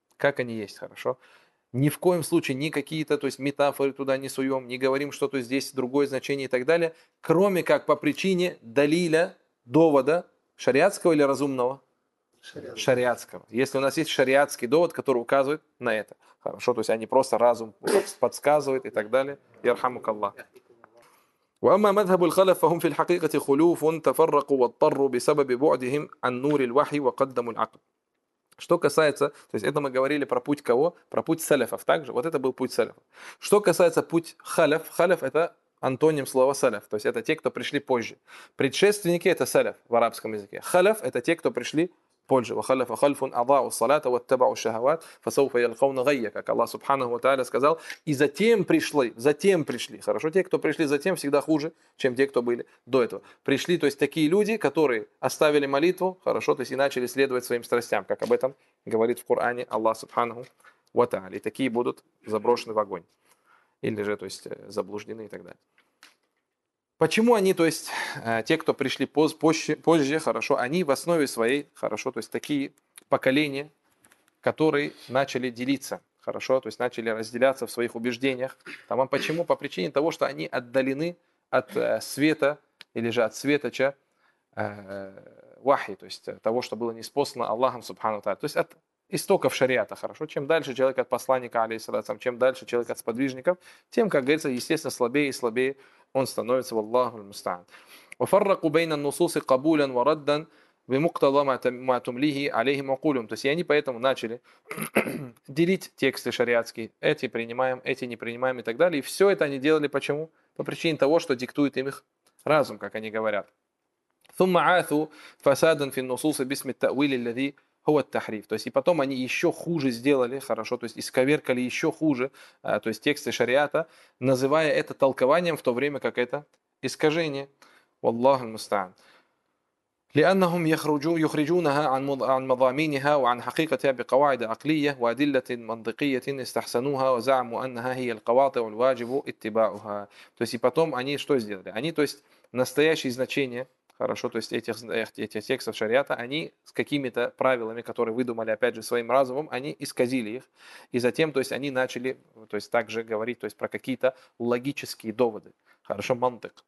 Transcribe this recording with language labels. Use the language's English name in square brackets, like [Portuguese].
[Russian] Как они есть, хорошо? Ни в коем случае ни какие-то, то есть метафоры туда не суем, не говорим что-то здесь другое значение и так далее, кроме как по причине далиля, довода, шариатского или разумного? Шариатского. Если у нас есть шариатский довод, который указывает на это, хорошо, то есть они просто разум подсказывает и так далее. Ярхамук Аллах. [Arabic] وأما مذهب الخلف فهم في الحقيقة خلوف تفرقوا واضطروا بسبب بعدهم عن نور الوحي وقدموا العقل. [Russian] Что касается, то есть это мы говорили про путь кого? Про путь салифов также. Вот это был путь салифов. Что касается путь халяф, халяф это антоним слова салиф. То есть это те, кто пришли позже. Предшественники это салиф в арабском языке. Халяф это те, кто пришли позже. [Arabic] وخلف خلف أضاعوا الصلاة واتبعوا الشهوات فسوف يلقون غيا. [Russian] Как Аллах Субханаху ва Тааля сказал. И затем пришли. Хорошо, те, кто пришли затем, всегда хуже, чем те, кто были до этого. Пришли, то есть такие люди, которые оставили молитву, хорошо, то есть и начали следовать своим страстям, как об этом говорит в Коране Аллах Субханаху ва Тааля. И такие будут заброшены в огонь. Или же, то есть, заблуждены и так далее. Почему они, то есть те, кто пришли позже, хорошо, они в основе своей, хорошо, то есть такие поколения, которые начали делиться, хорошо, то есть начали разделяться в своих убеждениях. Там, а почему? По причине того, что они отдалены от света или же от светоча вахи, то есть того, что было ниспослано Аллахом Субхану Тааля, то есть от истоков шариата, хорошо. Чем дальше человек от посланника, алейхиссалям, чем дальше человек от сподвижников, тем, как говорится, естественно, слабее и слабее он становится, валлаху аль-мустаан. [Arabic] وفرقوا بين النصوص قبولا وردا بمقتضى ما تمليه عليهم عقولهم. [Russian] То есть они поэтому начали делить тексты шариатские. Эти принимаем, эти не принимаем и так далее. И все это они делали почему? По причине того, что диктует им их разум, как они говорят. [Arabic] ثم عاثوا فسادا في النصوص باسم التأويل الذي هو التحريف. [Russian] То есть и потом они еще хуже сделали, хорошо, то есть исковеркали еще хуже, то есть тексты шариата, называя это толкованием, в то время как это искажение. Валлаху аль-мустаан. [Arabic] لأنهم يخرجونها عن مضامينها وعن حقيقتها بقواعد عقلية وأدلة منطقية استحسنوها وزعموا أنها هي القواطع الواجب اتباعها. [Russian] То есть и потом они что сделали? Они, то есть настоящее значение, хорошо, то есть этих текстов шариата, они с какими-то правилами, которые выдумали, опять же, своим разумом, они исказили их. И затем, то есть, они начали, то есть, также говорить, то есть, про какие-то логические доводы. Хорошо, мантык.